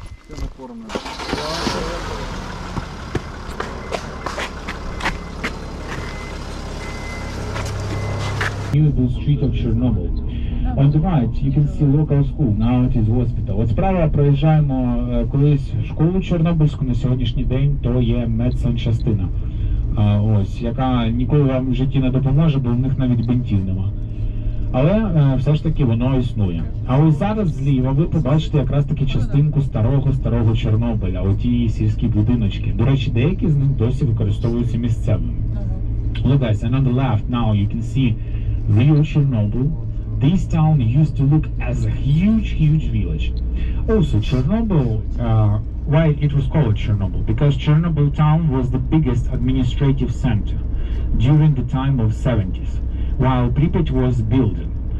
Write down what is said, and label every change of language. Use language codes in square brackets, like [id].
[ru] оформлен. [en] Visible street of Chernobyl. On the right, you can see local school, now it is hospital. [uk] От справа проїжджаємо колись школу Чорнобильську, на сьогоднішній день то є медсанчастина. Ось, яка ніколи вам в житті не допоможе, бо в них навіть бинтів нема. Але все ж таки воно існує. А ось зараз зліва ви побачите якраз таки частинку старого-старого Чорнобиля, оті сільські будиночки. До речі, деякі з них досі використовуються місцевими. [en] Look guys, and on the left now you can see real Chernobyl. This town used to look as a huge, huge village. Also, Chernobyl, why it was called Chernobyl? Because Chernobyl town was the biggest administrative center during the time of 70s, while Pripyat was building.